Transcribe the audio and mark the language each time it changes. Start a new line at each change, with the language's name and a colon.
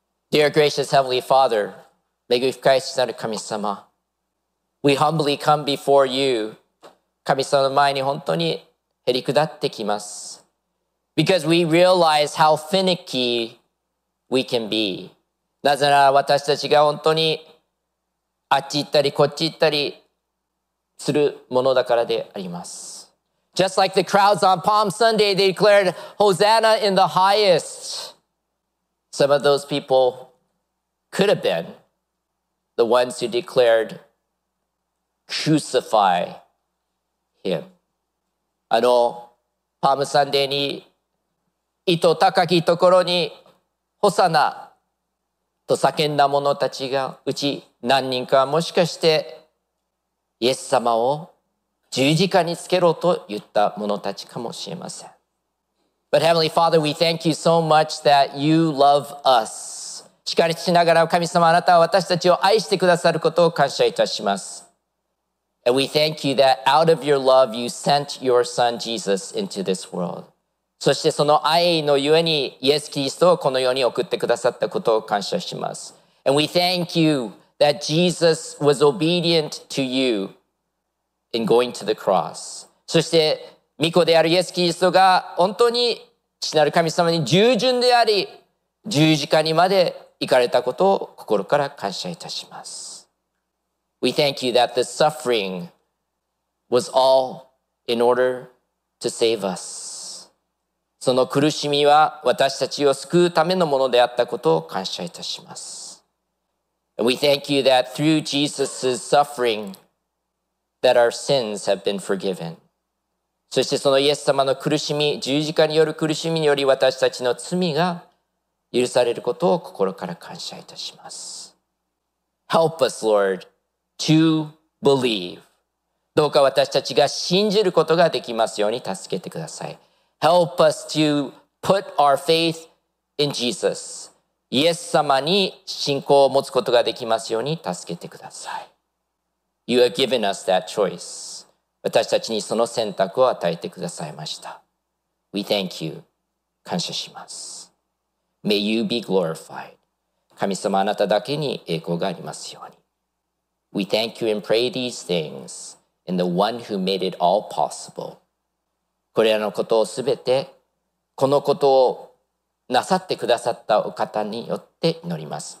English: Dear gracious Heavenly Father, we humbly come before you, because we realize how finicky we can be.
Japanese: なぜなら私たちが本当にあっち行ったりこっち行ったりするものだからであります。
English: Just like the crowds on Palm Sunday, they declared Hosanna in the highest. Some of those people could have been the ones who declared Crucify him.
Japanese: あの、パームサンデーに糸高きところにホサナと叫んだ者たちがうち何人かもしかしてイエス様を十字架につけろと言った者たちかもしれません。
English: But Heavenly Father, we thank you so much that you love us.
Japanese: しかしながら神様、あなたは私たちを愛してくださることを感謝いたします。
English: And we thank you that out of your love, you sent your son Jesus into this world.
Japanese: そしてその愛のゆえにイエス・キリストをこの世に送ってくださったことを感謝します。
English: And we thank you that Jesus was obedient to you in going to the cross.
Japanese: そして御子であるイエス・キリストが本当に父なる神様に従順であり十字架にまで行かれたことを心から感謝いたします。
English: We thank you that the suffering was all in order to save us.
Japanese: その苦しみは私たちを救うためのものであったことを感謝いたします。
English: And we thank you that through Jesus' suffering that our sins have been forgiven.
Japanese: そしてそのイエス様の苦しみ、十字架による苦しみにより私たちの罪が許されることを心から感謝いたします。
English: Help us, Lord, to believe.
Japanese: どうか私たちが信じることができますように助けてください。
English: Help us to put our faith in Jesus.
Japanese: イエス様に信仰を持つことができますように助けてください。
English: You have given us that choice.
Japanese: 私たちにその選択を与えてくださいました。
English: We thank you.
Japanese: 感謝します。
English: May you be glorified.
Japanese: 神様あなただけに栄光がありますように。
English: We thank you and pray these things in the one who made it all possible.
Japanese: これらのことをすべて、このことをなさってくださったお方によって祈ります。